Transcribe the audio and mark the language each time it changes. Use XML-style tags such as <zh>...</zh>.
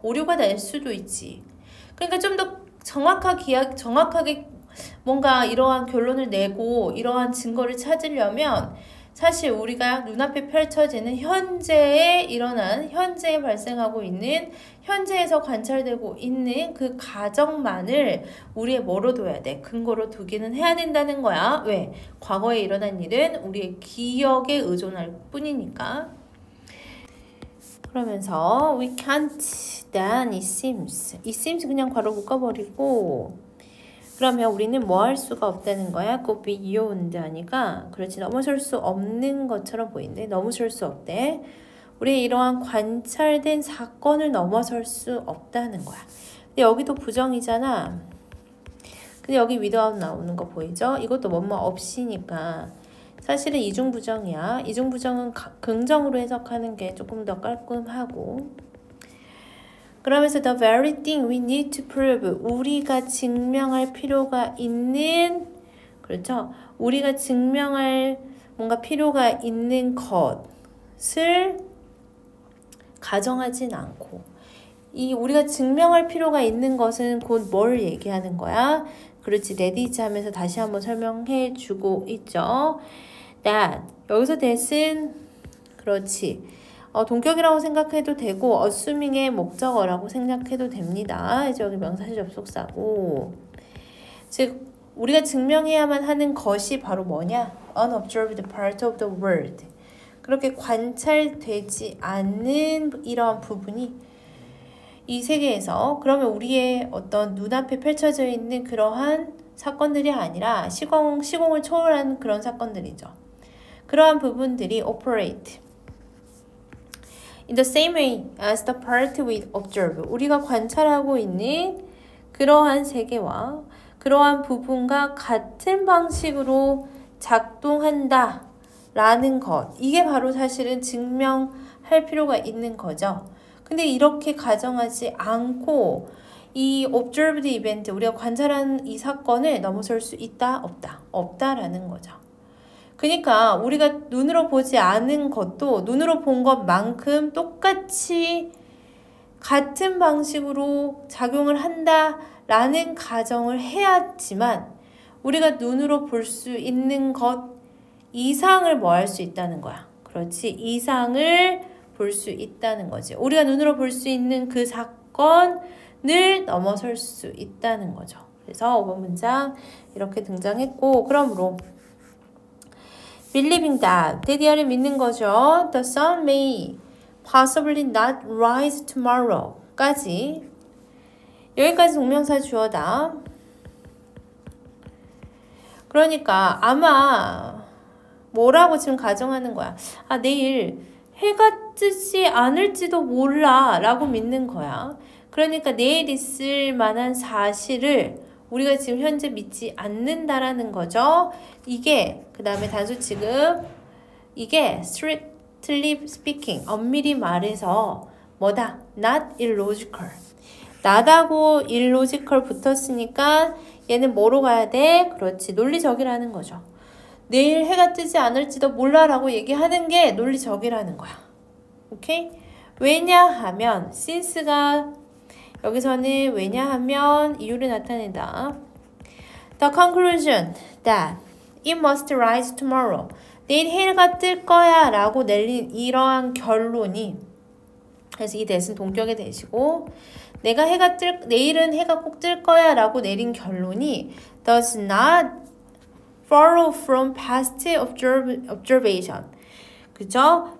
<ko>오류가 될 수도 있지. 그러니까 좀 더 정확하게 뭔가 이러한 결론을 내고 이러한 증거를 찾으려면 사실 우리가 눈앞에 펼쳐지는 현재에 일어난, 현재에 발생하고 있는, 현재에서 관찰되고 있는 그 가정만을 우리의 뭐로 둬야 돼? 근거로 두기는 해야 된다는 거야. 왜? 과거에 일어난 일은 우리의 기억에 의존할 뿐이니까. 그러면서</ko> <en>we can't then it seems. It seems</en> <ko>그냥 괄호 묶어버리고 그러면 우리는 뭐 할 수가 없다는 거야?</ko> <en>Could be beyond</en> <ko>하니까 그렇지 넘어설 수 없는 것처럼 보이는데 넘어설 수 없대. 우리 이러한 관찰된 사건을 넘어설 수 없다는 거야. 근데 여기도 부정이잖아. 근데 여기 without 나오는 거 보이죠? 이것도 뭐뭐 없이니까 사실은 이중부정이야. 이중부정은 긍정으로 해석하는 게 조금 더 깔끔하고. 그러면서</ko> <en>the very thing we need to prove,</en> <ko>우리가 증명할 필요가 있는, 그렇죠? 우리가 증명할 뭔가 필요가 있는 것을 가정하진 않고, 이 우리가 증명할 필요가 있는 것은 곧 뭘 얘기하는 거야? 그렇지, 레디지 하면서 다시 한번 설명해 주고 있죠. That, 여기서 that은, 그렇지, 동격이라고 생각해도 되고 assuming의 목적어라고 생각해도 됩니다. 이제 여기 명사시 접속사고, 즉 우리가 증명해야만 하는 것이 바로 뭐냐?</ko> <en>Unobserved part of the world.</en> <ko>그렇게 관찰되지 않는 이런 부분이 이 세계에서, 그러면 우리의 어떤 눈앞에 펼쳐져 있는 그러한 사건들이 아니라 시공을 초월한 그런 사건들이죠. 그러한 부분들이</ko> <en>operate in the same way as the part we observe.</en> <ko>우리가 관찰하고 있는 그러한 세계와 그러한 부분과 같은 방식으로 작동한다 라는 것, 이게 바로 사실은 증명할 필요가 있는 거죠. 근데 이렇게 가정하지 않고 이</ko> <en>observed event,</en> <ko>우리가 관찰한 이 사건을 넘어설 수 있다 없다, 없다 라는 거죠. 그러니까 우리가 눈으로 보지 않은 것도 눈으로 본 것만큼 똑같이 같은 방식으로 작용을 한다라는 가정을 해야지만 우리가 눈으로 볼 수 있는 것 이상을 뭐 할 수 있다는 거야. 그렇지, 이상을 볼 수 있다는 거지. 우리가 눈으로 볼 수 있는 그 사건을 넘어설 수 있다는 거죠. 그래서 5번 문장 이렇게 등장했고, 그러므로</ko> <en>believing that,</en> <ko>대디아를 믿는 거죠.</ko> <en>The sun may possibly not rise tomorrow까지.</en> <ko>여기까지 동명사 주어다. 그러니까 아마 뭐라고 지금 가정하는 거야? 아, 내일 해가 뜨지 않을지도 몰라 라고 믿는 거야. 그러니까 내일 있을 만한 사실을 우리가 지금 현재 믿지 않는다라는 거죠. 이게, 그 다음에 단수 지금, 이게</ko> <en>strictly speaking,</en> <ko>엄밀히 말해서 뭐다?</ko> <en>Not illogical.</en> <ko>Not하고 illogical 붙었으니까 얘는 뭐로 가야 돼? 그렇지, 논리적이라는 거죠. 내일 해가 뜨지 않을지도 몰라 라고 얘기하는 게 논리적이라는 거야. 오케이? 왜냐하면, since가 여기서는 왜냐하면 이유를 나타낸다.</ko> <en>The conclusion that it must rise tomorrow.</en> <ko>내일 해가 뜰 거야 라고 내린 이러한 결론이, 그래서 이 대신 동격이 되시고, 내가 해가 뜰, 내일은 해가 꼭 뜰 거야 라고 내린 결론이</ko> <en>does not follow from past observation.</en> <ko>그죠?</ko>